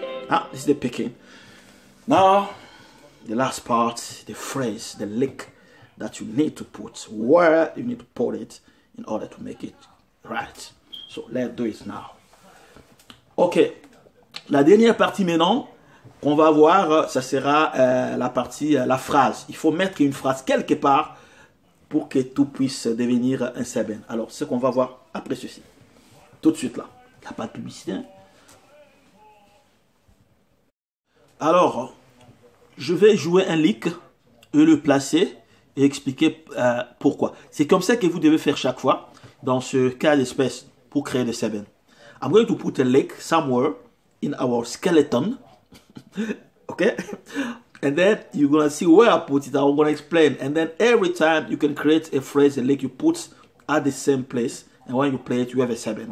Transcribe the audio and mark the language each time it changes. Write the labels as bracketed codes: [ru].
[en] Ah, this is the picking. Now, the last part, the phrase, the lick that you need to put, where you need to put it in order to make it right. So, let's do it now. Okay. [fr] La dernière partie maintenant qu'on va voir, ça sera la partie, la phrase. Il faut mettre une phrase quelque part pour que tout puisse devenir un seven. Alors, ce qu'on va voir après ceci. Tout de suite là. Il n'y a pas de publicité. Hein? Alors, je vais jouer un lick et le placer et expliquer pourquoi. C'est comme ça que vous devez faire chaque fois dans ce cas d'espèce pour créer des seven. [en] I'm going to put a leg somewhere in our skeleton. Okay? And then you're gonna see where I put it. I'm gonna explain. And then every time you can create a phrase, a leg you put at the same place. And when you play it, you have a seven.